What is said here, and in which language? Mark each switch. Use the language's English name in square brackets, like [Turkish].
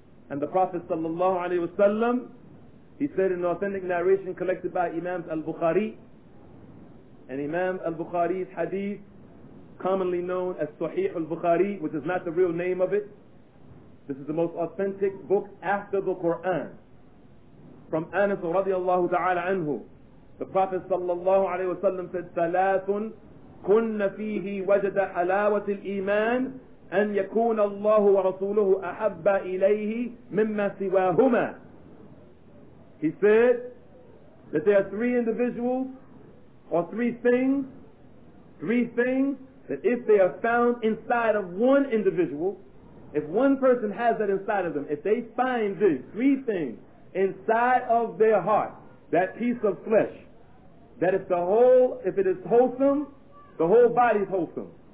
[English] And the Prophet sallallahu alaihi wasallam, he said in an authentic narration collected by Imam al-Bukhari, and Imam al-Bukhari's hadith, commonly known as Sahih al-Bukhari, which is not the real name of it, this is the most authentic book after the Quran. From Anas radiallahu ta'ala anhu, the Prophet sallallahu alaihi wasallam said, [Arabic] ثَلَاثٌ كُنَّ فِيهِ وَجَدَ حَلَاوَةِ الْإِيمَانِ أن يكون الله ورسوله أحب إليه مما سواهما. [English] He said that there are three individuals or three things that if they are found inside of one individual, if one person has that inside of them, if they find this, three things inside of their heart, that piece of flesh, that if it is wholesome, the whole body is wholesome.